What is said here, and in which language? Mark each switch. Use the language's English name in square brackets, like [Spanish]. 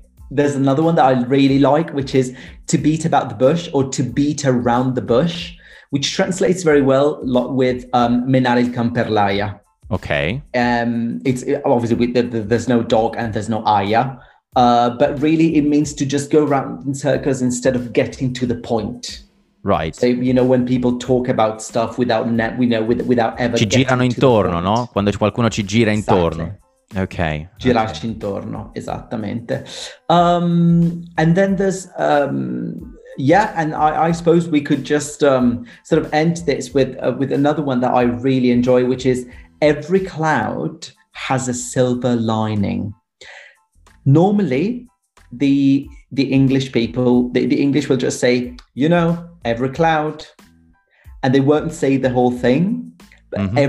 [English] There's another one that I really like, which is to beat about the bush or to beat around the bush, which translates very well with [Italian] menare il can per l'aia. [English] Okay. There's no dog and there's no aia, but really it means to just go around in circles instead of getting to the point. Right. So, you know, when people talk about stuff without ever [Italian] ci girano intorno, no? Quando qualcuno ci gira intorno. [English] Exactly. Okay. [Italian] Girarci intorno, esattamente. [English] And then there's I suppose we could just sort of end this with another one that I really enjoy, which is every cloud has a silver lining. Normally the English people, the English will just say, you know, every cloud, and they won't say the whole thing, but mm-hmm.